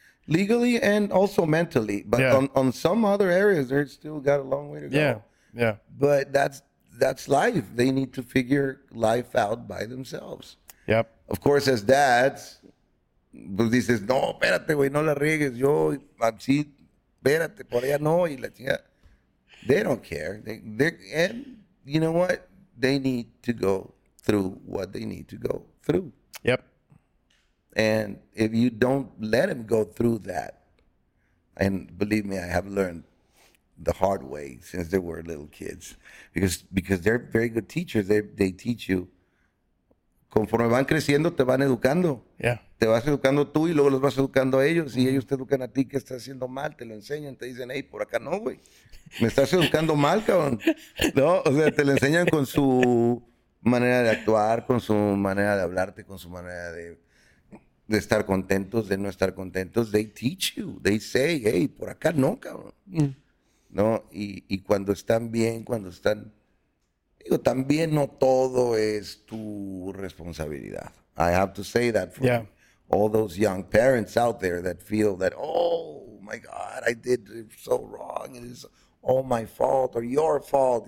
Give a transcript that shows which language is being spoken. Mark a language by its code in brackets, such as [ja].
[en] Legally and also mentally. But on some other areas, they're still got a long way to go. Yeah. But that's life. They need to figure life out by themselves. Yep. Of course, as dads, but he says, [es] no, espérate, güey, no la riegues. Yo, sí, espérate, por allá no. Y la chingada. [en] They don't care. And you know what? They need to go through what they need to go through. Yep. And if you don't let them go through that, and believe me, I have learned the hard way since they were little kids, because they're very good teachers. They teach you. [es] Conforme van creciendo, te van educando. [en] Yeah. [es] Te vas educando tú y luego los vas educando a ellos. Y ellos te educan a ti que estás haciendo mal. Te lo enseñan. Te dicen, hey, por acá no, güey. Me estás educando mal, cabrón. No, o sea, te lo enseñan con su manera de actuar, con su manera de hablarte, con su manera de estar contentos, de no estar contentos. [en] They teach you. They say, [es] hey, por acá no, cabrón. No, y cuando están bien, cuando están... Digo, también no todo es tu responsabilidad. [en] I have to say that for all those young parents out there that feel that, oh, my God, I did it so wrong. It is all my fault or your fault.